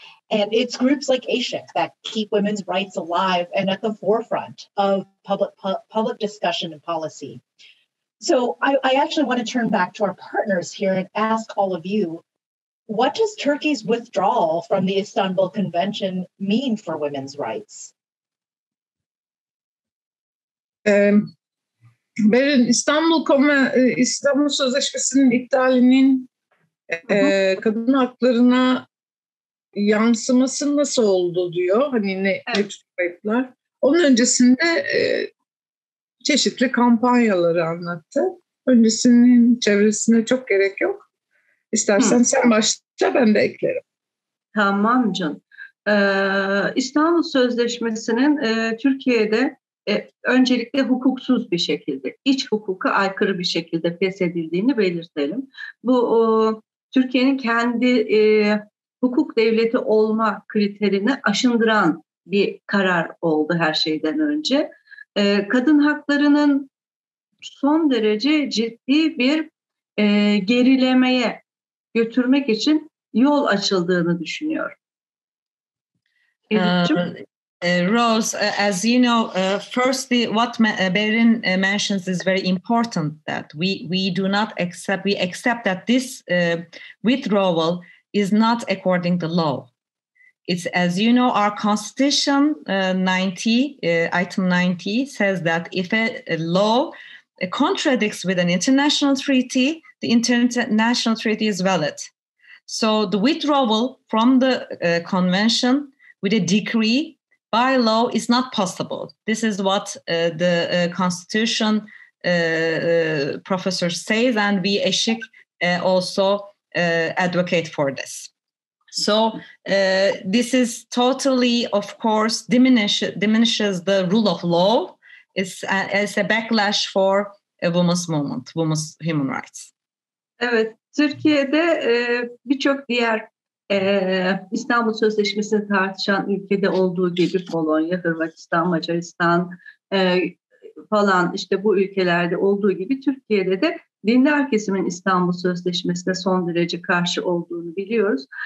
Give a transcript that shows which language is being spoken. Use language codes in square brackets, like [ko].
[en] And it's groups like AISHIC that keep women's rights alive and at the forefront of public discussion and policy. So I actually want to turn back to our partners here and ask all of you, what does Turkey's withdrawal from the Istanbul Convention mean for women's rights? [tr] Berin, İstanbul Sözleşmesi'nin iptalinin kadın haklarına yansıması nasıl oldu diyor. Hani ne tür kayıplar. Onun öncesinde çeşitli kampanyaları anlattı. Öncesinin çevresine çok gerek yok. İstersen sen başla, ben de eklerim. Tamam can. İstanbul Sözleşmesi'nin Türkiye'de öncelikle hukuksuz bir şekilde, iç hukuka aykırı bir şekilde feshedildiğini belirtelim. Bu Türkiye'nin kendi hukuk devleti olma kriterini aşındıran bir karar oldu her şeyden önce. Kadın haklarının son derece ciddi bir gerilemeye götürmek için yol açıldığını düşünüyorum. [en] Rose, as you know, firstly, what Berin mentions is very important, that we do not accept, we accept that this withdrawal is not according to law. It's, as you know, our constitution 90, item 90 says that if a law contradicts with an international treaty, the international treaty is valid. So the withdrawal from the convention with a decree by law is not possible. This is what the constitution professor says, and we ESHIK also advocate for this. So this is totally, of course, diminishes the rule of law. It's a backlash for a women's movement, women's human rights. [tr] Evet, Türkiye'de birçok diğer İstanbul Sözleşmesi'ni tartışan ülkede olduğu gibi Polonya, Hırvatistan, Macaristan falan, işte bu ülkelerde olduğu gibi Türkiye'de de dindar kesimin İstanbul Sözleşmesi'ne son derece karşı olduğunu biliyoruz.